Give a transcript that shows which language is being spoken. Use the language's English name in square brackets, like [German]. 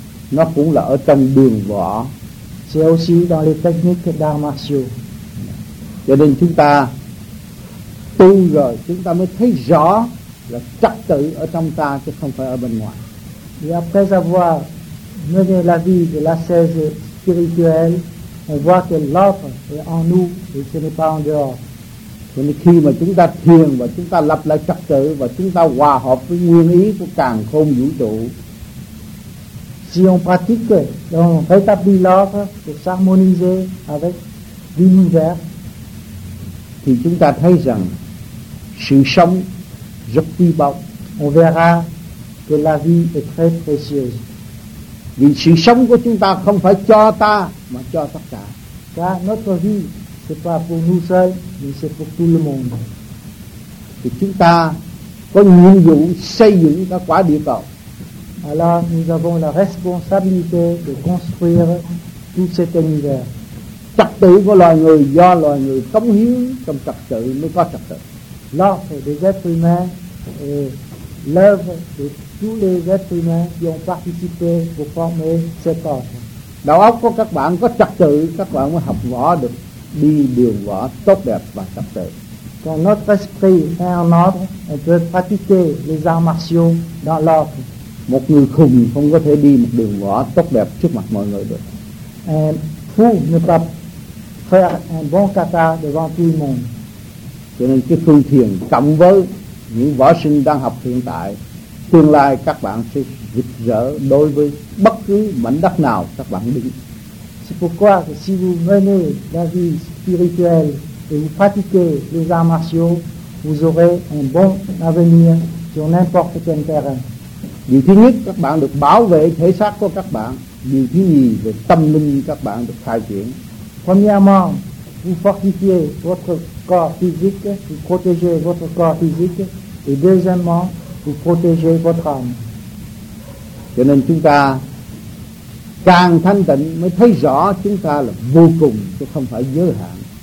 [Vietnamese] Nó cũng là ở trong đường võ. [French] C'est aussi dans les techniques d'arts martiaux. [Vietnamese] Cho nên chúng ta tu rồi chúng ta mới thấy rõ là trật tự ở trong ta chứ không phải ở bên ngoài. [French] Et après avoir mené la vie de l'ascèse spirituelle, on voit que l'ordre est en nous et ce n'est pas en dehors. [Vietnamese] Cho nên khi mà chúng ta thiền và chúng ta lập lại trật tự và chúng ta hòa hợp với nguyên ý của càn khôn vũ trụ. [French] Si on pratique, on rétablit l'ordre pour s'harmoniser avec l'univers. [Vietnamese] Thì chúng ta thấy rằng sự sống rất quý báu. [French] On verra que la vie est très précieuse. [Vietnamese] Vì sự sống của chúng ta không phải cho ta mà cho tất cả. [French] Car notre vie, c'est pas pour nous seuls, mais c'est pour tout le monde. [Vietnamese] Thì chúng ta có nhiệm vụ xây dựng cái quả địa cầu. [French] Alors nous avons la responsabilité de construire tout cet univers. [Vietnamese] Trật tự của loài người do loài người cống hiến trong trật tự mới có trật tự. [French] L'ordre des êtres humains est l'œuvre de tous les êtres humains qui ont participé pour former cet ordre. [Vietnamese] Đầu óc của các bạn có trật tự, các bạn mới học võ được, đi đường võ tốt đẹp và trật tự. [French] Quand notre esprit est en ordre, on peut pratiquer les arts martiaux dans l'ordre. [Vietnamese] Một người khùng không có thể đi một đường võ tốt đẹp trước mặt mọi người được. [French] Un fou ne peut faire un bon kata devant tout le monde. [Vietnamese] Cho nên cái phương thiền cộng với những võ sinh đang học hiện tại, tương lai các bạn sẽ rực rỡ đối với bất cứ mảnh đất nào các bạn đi. [French] C'est pourquoi si vous venez la vie spirituelle et vous pratiquez les arts martiaux, vous aurez un bon avenir sur n'importe quel terrain. [Vietnamese] Điều thứ nhất các bạn được bảo vệ thể xác của các bạn. Điều thứ nhì về tâm linh các bạn được khai triển. [French] Premièrement, vous fortifiez votre corps physique, vous protégez votre corps physique. Et deuxièmement, vous protégez votre âme. [Vietnamese] Cho nên chúng ta càng thanh tịnh mới thấy rõ chúng ta là vô cùng chứ không phải giới hạn.